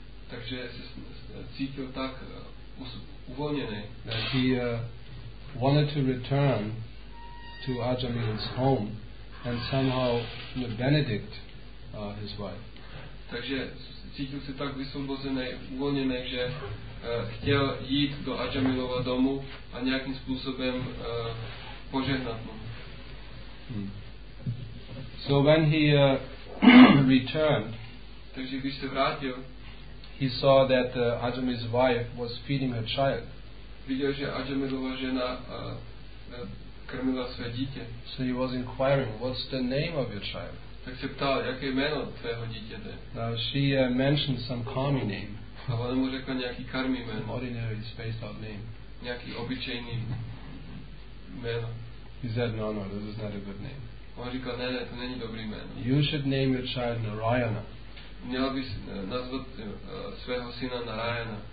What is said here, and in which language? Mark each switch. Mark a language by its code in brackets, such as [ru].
[cs] Takže se cítil tak uvolněný. [en] That he wanted to return to Ajami's home. And somehow benedict his wife. [cs] Takže cítil se tak vysvobozený, uvolněný, že chtěl jít do Ajaminova domu a nějakým způsobem požehnat mu. [en] So when he returned, [cs] takže když se vrátil, [en] he saw that Ajami's wife was feeding her child. [cs] Viděl, že Ajaminova žena krmila své dítě. [en] So he was inquiring, what's the name of your child? [cs] Tak se ptal, jaké jméno tvého dítěte. [en] Now she mentioned some karmi name. [cs] A ona mu řekla nějaký karmi jméno. [en] An ordinary spaced out name. [cs] Nějaký obyčejný jméno. [en] He said, no, this is not a good name. [cs] On říkal, ne, to není dobrý jméno. [en] You should name your child Narayana. [cs] Měla bys nazvat svého syna Narayana.